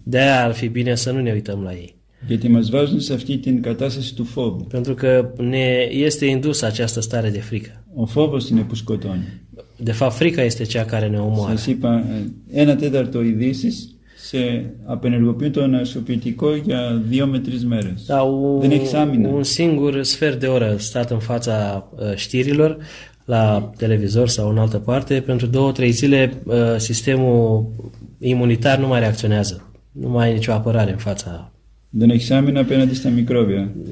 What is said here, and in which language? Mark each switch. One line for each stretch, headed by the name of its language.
Romanian: De-aia ar fi bine să nu ne uităm la ei.
Greek: Γιατί μας βάζουν σε αυτή την κατάσταση του φόβου.
Romanian: Pentru că ne este indusă această stare de frică.
Greek: Ο φόβος είναι που σκοτώνει.
Romanian: De fapt, frica este cea care ne omoară.
Greek: Σας είπα, ένα τέταρτο ειδήσεις σε απενεργοποιούν το ανασωπητικό για 2-3 μέρες. Da, δεν έχεις άμυνα.
Romanian: Un singur sfert de oră stat în fața știrilor, la televizor sau în altă parte, pentru 2-3 zile sistemul imunitar nu mai reacționează. Nu mai ai nicio apărare în fața...
Greek: Δεν έχεις άμυνα απέναντι στα μικρόβια.